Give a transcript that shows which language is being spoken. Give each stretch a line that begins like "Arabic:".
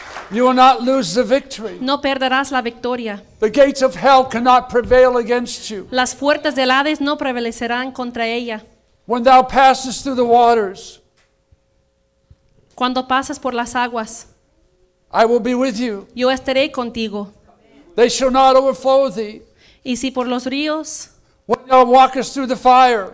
English: You will not lose the victory.
Spanish: No perderás la victoria.
English: The gates of hell cannot prevail against you.
Spanish: Las puertas del Hades no prevalecerán contra ella.
English: When thou passest through the waters,
Spanish: cuando pasas por las aguas,
English: I will be with you.
Spanish: Yo estaré contigo.
English: they shall not overflow thee.
Spanish: Y si por los ríos,
English: when thou walkest through the fire,